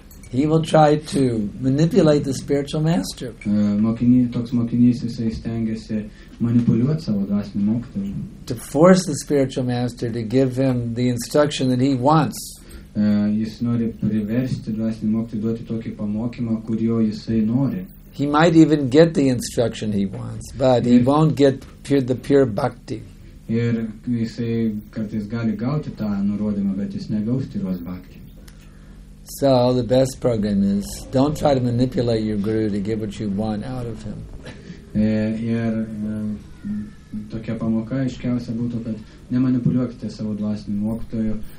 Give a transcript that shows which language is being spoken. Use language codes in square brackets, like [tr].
[en] He will try to manipulate the spiritual master. [lt] Toks mokinys jisai stengiasi manipuliuoti savo dvasinį mokytoją. [en] To force the spiritual master to give him the instruction that he wants. [lt] Jis nori priversti dvasinį mokytoją duoti tokį pamokymą, kurio jisai nori. [en] He might even get the instruction he wants, but he won't get the pure bhakti. [lt] Ir jisai kartais gali gauti tą nurodymą, bet jis negaus tyros bhakti. [en] So the best program is don't try to manipulate your guru to get what you want out of him. [lt] Ir tokia pamoka aiškiausia būtų, kad nemanipuliuokite savo dvasinį mokytoju.